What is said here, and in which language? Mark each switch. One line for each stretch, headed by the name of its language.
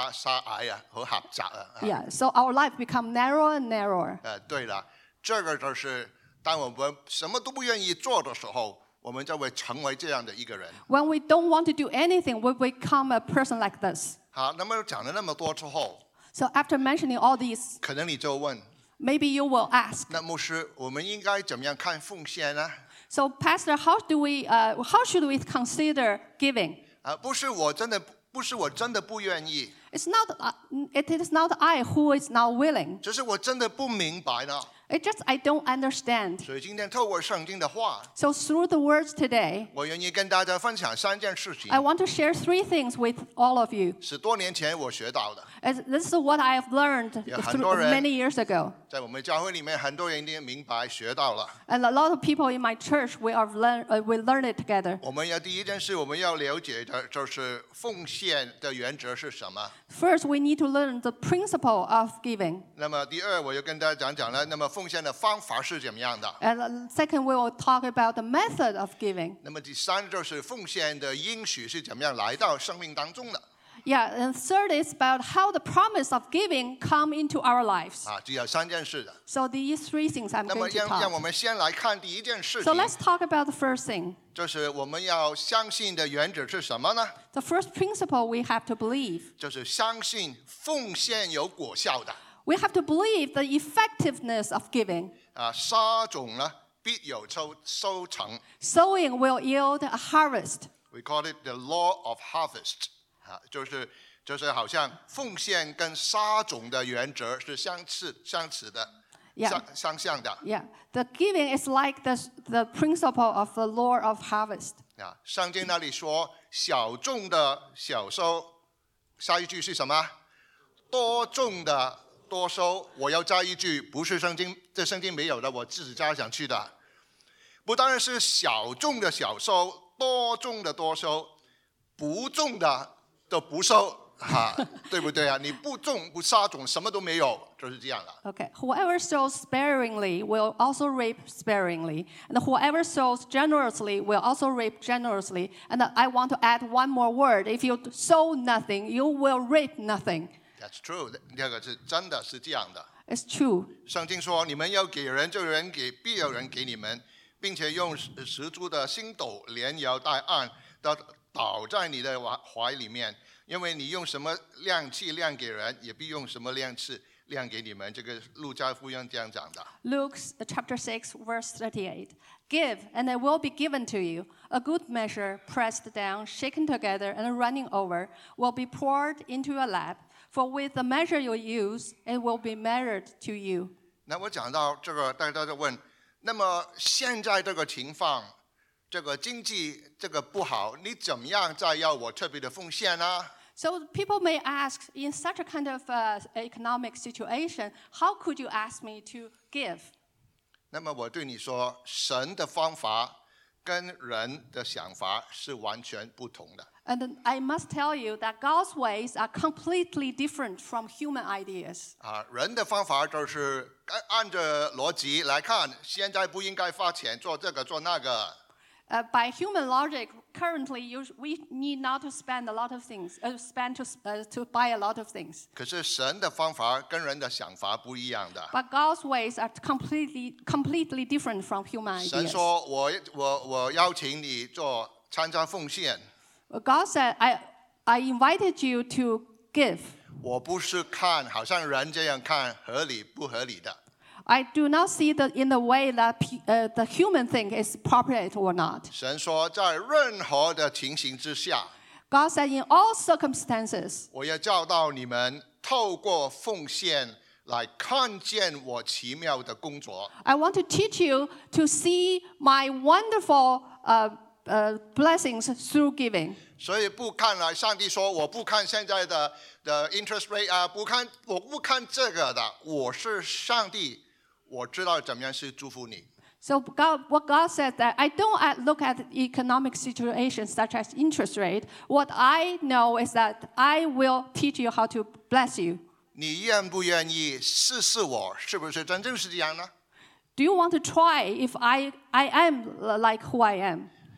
Chinese: 有生命变得非常的，我们讲怎么讲呢？是狭窄、狭隘啊和狭窄啊。
English: Yeah, so our life become narrower and narrower.
Chinese: 对了，这个就是当我们什么都不愿意做的时候，我们就会成为这样的一个人。
English: When we don't want to do anything, we become a person like this.
Chinese: 好，那么讲了那么多之后。
English: So after mentioning all these,
Chinese: 可能你就问。
English: Maybe you will ask.
Chinese: 那牧师, 我们应该怎么样看奉献呢?
English: So, Pastor, how should we consider giving?
Chinese: 不是我真的不愿意。
English: It is not I who is not willing.
Chinese: 只是我真的不明白呢。
English: It just I don't understand.
Chinese: 所以今天透过圣经的话,
English: so through the words today,
Chinese: 我愿意跟大家分享三件事情。
English: I want to share three things with all of you.
Chinese: 是多年前我学到的。
English: This is what I have learned many years ago.
Chinese: 在我们教会里面, 很多人已经明白, 学到了。
English: And a lot of people in my church, we learn it together.
Chinese: 我们要第一件事, 我们要了解的, 就是奉献的原则是什么。
English: First, we need to learn the principle of giving.
Chinese: 那么第二我又跟大家讲讲了, 奉献的方法是怎么样的?
English: And second, we will talk about the method of giving.
Chinese: 那么第三就是奉献的应许是怎么样来到生命当中的?
English: Yeah, and third is about how the promise of giving come into our lives.
Chinese: 只有三件事的。
English: So these three things I'm going to talk.
Chinese: 那么让我们先来看第一件事情。
English: So let's talk about the first thing.
Chinese: 就是我们要相信的原则是什么呢?
English: The first principle we have to believe.
Chinese: 就是相信奉献有果效的。
English: We have to believe the effectiveness of giving.
Chinese: 撒种呢必有收成。
English: Sowing will yield a harvest. We call it the law of harvest.
Chinese: 就是好像奉献跟撒种的原则是相似的。
English: Yeah.
Chinese: 相像的。
English: Yeah. The giving is like the principle of the law of harvest.
Chinese: 圣经那里说小种的小收，下一句是什么？多种的多收。我要加一句，不是圣经，这圣经没有的，我自己加上去的。不单是小种的小收，多种的多收，不种的都不收，啊，对不对啊？你不种不撒种，什么都没有，就是这样的。
English: Okay, whoever sows sparingly will also reap sparingly, and whoever sows generously will also reap generously. And I want to add one more word: if you sow nothing, you will reap nothing. That's true.
Chinese: 第二个是真的是这样的。
English: It's true.
Chinese: 圣经说，你们要给人，就有人给，必有人给你们，并且用十足的星斗连摇带按的倒在你的怀里面，因为你用什么量器量给人，也必用什么量器量给你们。这个路加福音这样讲的。
English: Luke chapter 6 verse 38. Give, and it will be given to you. A good measure, pressed down, shaken together, and running over, will be poured into your lap. For with the measure you use, it will be measured to you.
Chinese: 那我讲到这个，大家就问：那么现在这个情况，这个经济这个不好，你怎么样再要我特别的奉献呢？
English: So people may ask, in such a kind of economic situation, how could you ask me to give?
Chinese: 那么我对你说，神的方法跟人的想法是完全不同的。
English: And I must tell you that God's ways are completely different from human ideas.
Chinese: 人的方法就是按着逻辑来看，现在不应该发钱，做这个，做那个。
English: By human logic, currently, we need not to spend a lot of things, to buy a lot of things.
Chinese: 可是神的方法跟人的想法不一样的。
English: But God's ways are completely different from human ideas.
Chinese: 神说，我邀请你做参加奉献。
English: God said, I invited you to give.
Chinese: 我不是看好像人这样看合理不合理的。
English: I do not see that in the way that the human think is appropriate or not.
Chinese: 神说在任何的情形之下。
English: God said, in all circumstances.
Chinese: 我要教导你们透过奉献来看见我奇妙的工作。
English: I want to teach you to see my wonderful blessings through giving.
Chinese: 所以不看来，上帝说我不看现在的 interest rate 啊，不看我不看这个的。我是上帝，我知道怎么样是祝福你。
English: So God, what God said that I don't look at economic situations such as interest rate. What I know is that I will teach you how to bless you.
Chinese: 你愿不愿意试试我？是不是真正是这样呢？
English: Do you want to try if I am like who I am?